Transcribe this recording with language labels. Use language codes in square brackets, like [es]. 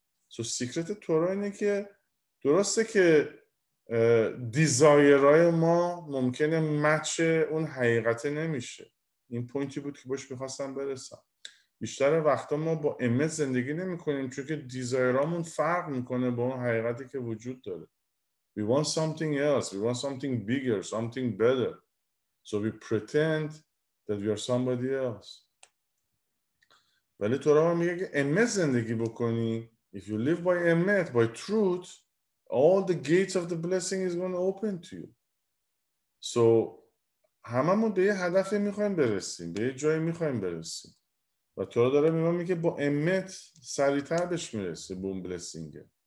[fa] سو سیکرت تورا اینه که درسته که دیزایرهای ما ممکنه مچ اون حقیقته نمیشه. این پوینتی بود که باش میخواستم برسم. بیشتر وقتا ما با امت زندگی نمی کنیم چون که دیزایرامون فرق میکنه با اون حقیقتی که وجود داره. [en] We want something else. We want something bigger, something better. So we pretend that we are somebody else. [fa] ولی تورا میگه که امت زندگی بکنی. [en] If you live by امت, by truth, all the gates of the blessing is going to open to you. [fa] So هممون به یه هدف میخواییم برسیم. به یه جایی میخواییم برسیم. و تورا داره میگه با امت سریعتر بهش میرسه، به اون بلسینگ.